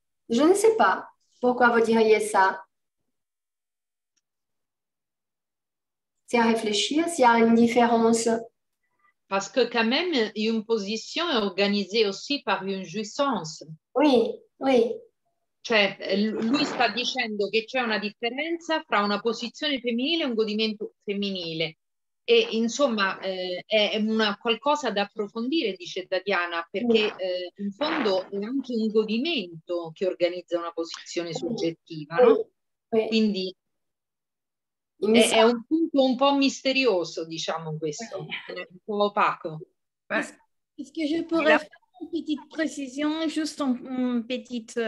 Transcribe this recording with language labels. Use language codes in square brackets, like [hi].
[fr] Je ne sais pas pourquoi vous diriez ça. C'est à réfléchir s'il y a une différence. Parce que quand même, une position est organisée aussi par une jouissance. Oui, oui. [it] Cioè, lui sta dicendo che c'è una differenza fra una posizione femminile e un godimento femminile. E insomma, è una qualcosa da approfondire, dice Tatiana, perché in fondo è anche un godimento che organizza una posizione soggettiva, no? Quindi è un punto un po' misterioso, diciamo, questo, un po' opaco. [fr] Est-ce que je pourrais faire une petite précision, juste un petit...